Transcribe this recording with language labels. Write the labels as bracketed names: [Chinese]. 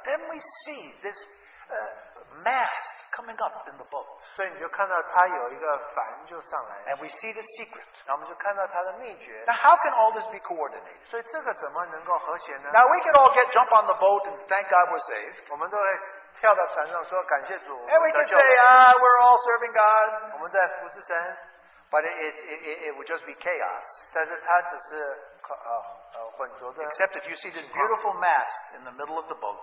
[English] then we see this mast coming up in the boat. [Chinese] 所以你就看到它有一个帆就上来, [English] and we see the secret. [Chinese] 然后我们就看到它的秘诀, [English] now how can all this be coordinated? [Chinese] 所以这个怎么能够和谐呢? [English] Now we can all get jump on the boat and thank God we're saved. [Chinese] 我们都会跳到船上说, [English] and we can say, ah, we're all serving God. [Chinese] 我们在服侍神, [English] but it would just be chaos. [Chinese] 但是它只是, [English] except if you see this beautiful mast in the middle of the boat,